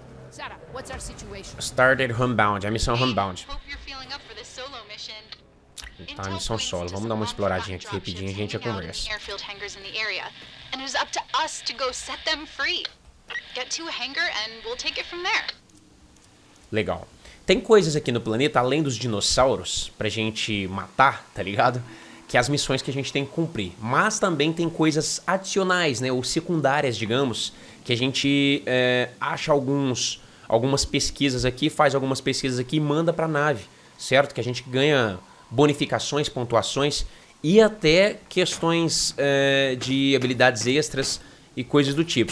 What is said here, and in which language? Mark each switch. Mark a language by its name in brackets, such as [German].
[English] Sarah, what's our situation? Started homebound, [Portuguese] a missão homebound. [English] Hope you're feeling up for this solo mission. [Portuguese] Tá, a missão solo. Vamos dar uma exploradinha aqui rapidinho, a gente já conversa. [English] Airfield hangars in the area, and it's up to us to go set them free. Get to a hangar and we'll take it from there. [Portuguese] Legal. Tem coisas aqui no planeta, além dos dinossauros, pra gente matar, tá ligado? Que é as missões que a gente tem que cumprir. Mas também tem coisas adicionais, né? Ou secundárias, digamos, que a gente acha algumas pesquisas aqui, faz algumas pesquisas aqui e manda pra nave, certo? Que a gente ganha bonificações, pontuações e até questões de habilidades extras e coisas do tipo.